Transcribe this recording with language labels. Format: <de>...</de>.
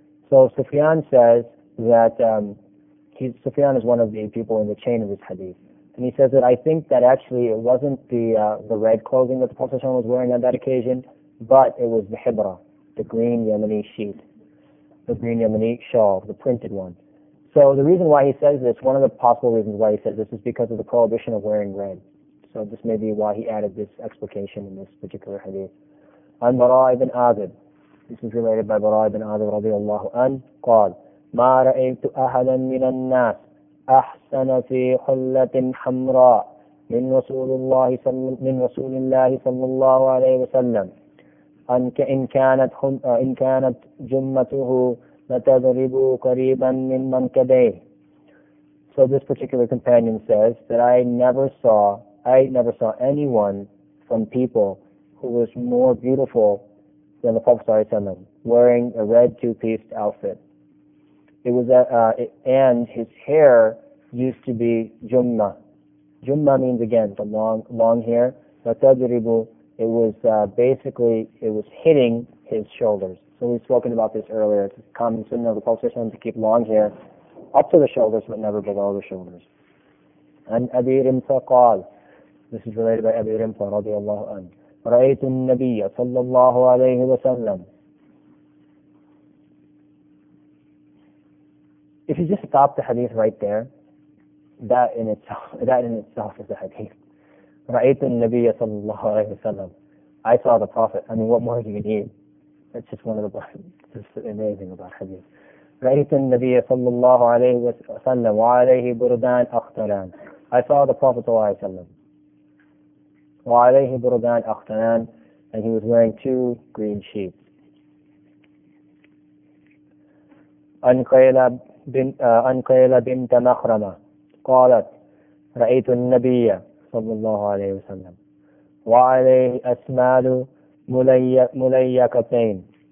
<en>So Sufyan says that Sufyan is one of the people in the chain of this hadith, and he says that I think that actually it wasn't the red clothing that the Prophet was wearing on that occasion, but it was the hibra, the green Yemeni sheet, the green Yemeni shawl, the printed one. So the reason why he says this, one of the possible reasons why he says this, is because of the prohibition of wearing red. So this may be why he added this explication in this particular hadith.</en> <ar>عن براء بن عازب.</ar> <en>This is related by</en> <ar>براء بن عازب رضي الله عنه. قال ما رأيت أحدا من الناس أحسن في حلة حمراء من رسول الله صلى الله عليه وسلم إن كانت جمته لتضرب قريبا من منكبيه.</ar> <en>So this particular companion says that I never saw anyone from people who was more beautiful than the Prophet ﷺ, wearing a red two-piece outfit. It was and his hair used to be jumma. Jumma means, again, the long hair. Latajribu, it was basically hitting his shoulders. So we've spoken about this earlier. It's a common sin of the Prophet ﷺ to keep long hair up to the shoulders, but never below the shoulders. And Abi Rimta qal, this is related by Abi Rimta radiallahu anhu.</en> <ar>رأيت النبي صلى الله عليه وسلم.</ar> <en>If you just stop the hadith right there, that in itself is a hadith.</en> <ar>رأيت النبي صلى الله عليه وسلم.</ar> <en>I saw the Prophet. I mean, what more do you need? That's just one of the things that's amazing about hadith.</en> <ar>رأيت النبي صلى الله عليه وسلم وعليه بردان أخضران.</ar> <en>I saw the Prophet</en> <ar>صلى الله عليه وسلم وعليه بردان أخضران,</ar> <en>and he was wearing two green sheets.</en> <ar>أنقيلة بنت مخرمة قالت رأيت النبي صلى الله عليه وسلم وعليه أسمال مليكتين.</ar>